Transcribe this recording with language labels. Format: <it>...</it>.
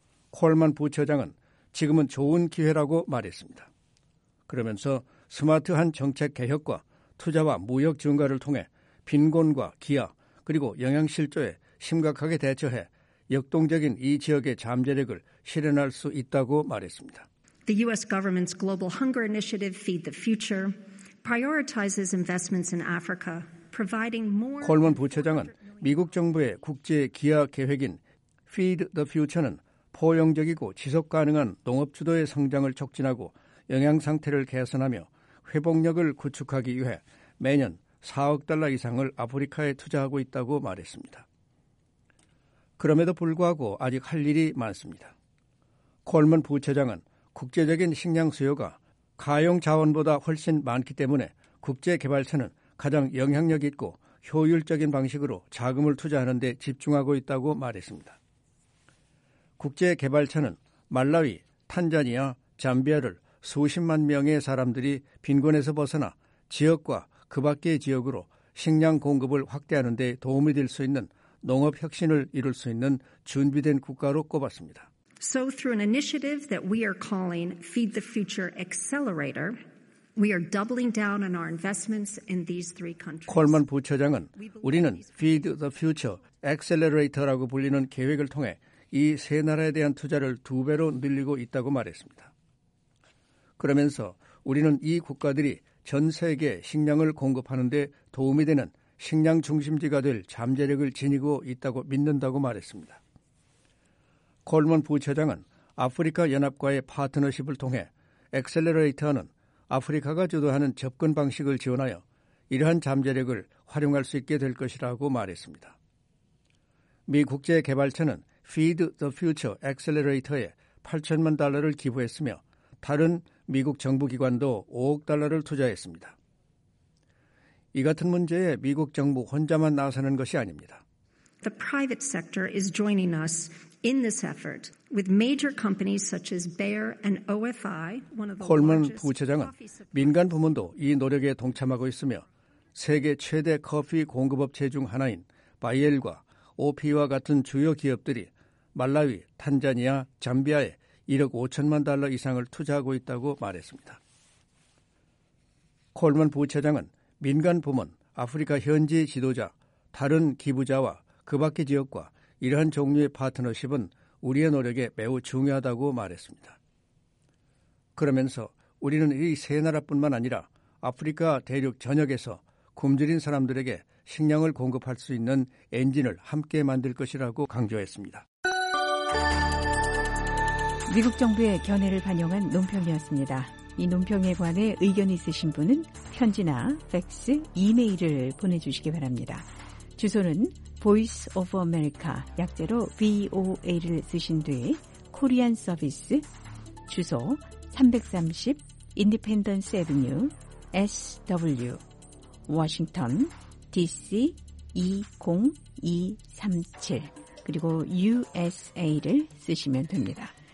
<ko>콜먼 부처장은 지금은 좋은 기회라고 말했습니다. 그러면서 스마트한 정책 개혁과 투자와 무역 증가를 통해 빈곤과 기아 그리고 영양실조에 심각하게 대처해 역동적인 이 지역의 잠재력을 실현할 수 있다고 말했습니다.</ko> <en>The U.S. government's global hunger initiative Feed the Future prioritizes investments in Africa, providing more.</en> <ko>콜먼 부처장은 미국 정부의 국제 기아 계획인 Feed the Future는 포용적이고 지속가능한 농업주도의 성장을 촉진하고 영양상태를 개선하며 회복력을 구축하기 위해 매년 4억 달러 이상을 아프리카에 투자하고 있다고 말했습니다. 그럼에도 불구하고 아직 할 일이 많습니다. 콜먼 부처장은 국제적인 식량 수요가 가용 자원보다 훨씬 많기 때문에 국제개발처는 가장 영향력 있고 효율적인 방식으로 자금을 투자하는 데 집중하고 있다고 말했습니다. 국제개발처는 말라위, 탄자니아, 잠비아를 수십만 명의 사람들이 빈곤에서 벗어나 지역과 그 밖의 지역으로 식량 공급을 확대하는 데 도움이 될 수 있는 농업 혁신을 이룰 수 있는 준비된 국가로 꼽았습니다.</ko> <en>So through an initiative that we are calling Feed the Future Accelerator, we are doubling down on our investments in these three countries.</en> <ko>콜먼 부처장은 우리는 Feed the Future Accelerator라고 불리는 계획을 통해 이 세 나라에 대한 투자를 두 배로 늘리고 있다고 말했습니다. 그러면서 우리는 이 국가들이 전 세계 식량을 공급하는 데 도움이 되는 식량 중심지가 될 잠재력을 지니고 있다고 믿는다고 말했습니다. 콜먼 부처장은 아프리카 연합과의 파트너십을 통해 엑셀러레이터는 아프리카가 주도하는 접근 방식을 지원하여 이러한 잠재력을 활용할 수 있게 될 것이라고 말했습니다. 미 국제개발처는 Feed the Future Accelerator에 8천만 달러를 기부했으며 다른 미국 정부기관도 5억 달러를 투자했습니다. 이 같은 문제에 미국 정부 혼자만 나서는 것이 아닙니다.</ko> <en>The private sector is joining us in this effort with major companies such as Bayer and OFI, one of the largest.</en> <ko>콜먼 부처장은 민간 부문도 이 노력에 동참하고 있으며 세계 최대 커피 공급업체 중 하나인 바이엘과 OPI와 같은 주요 기업들이 말라위, 탄자니아, 잠비아에 1억 5천만 달러 이상을 투자하고 있다고 말했습니다. 콜먼 부처장은 민간 부문, 아프리카 현지 지도자, 다른 기부자와 그 밖의 지역과 이러한 종류의 파트너십은 우리의 노력에 매우 중요하다고 말했습니다. 그러면서 우리는 이 세 나라뿐만 아니라 아프리카 대륙 전역에서 굶주린 사람들에게 식량을 공급할 수 있는 엔진을 함께 만들 것이라고 강조했습니다. 미국 정부의 견해를 반영한 논평이었습니다. 이 논평에 관해 의견 있으신 분은 편지나 팩스, 이메일을 보내주시기 바랍니다. 주소는 Voice of America, 약자로 VOA를 쓰신 뒤 Korean Service, 주소 330 Independence Avenue, SW, Washington, DC 20237, 그리고 USA를 쓰시면 됩니다.</ko>